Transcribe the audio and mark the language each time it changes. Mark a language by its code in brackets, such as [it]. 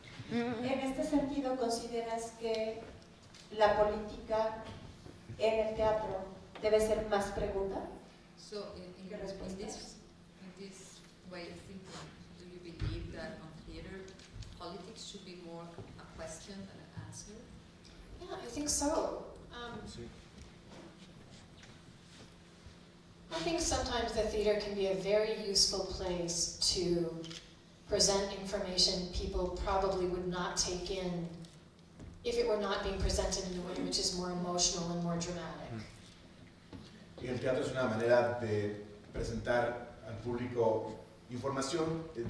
[es] En este sentido, ¿consideras que la política en el teatro debe ser más pregunta? [en] So, in [es] que respuesta. [en] In this way of thinking, do you believe that on theater politics should be more a question than an answer? Yeah, I think so. [es] Sí. [en] I think sometimes the theater can be a very useful place to present information people probably would not take in if it were not being presented in a way which is more emotional and more dramatic. [es] Y el teatro es una manera de presentar al público información.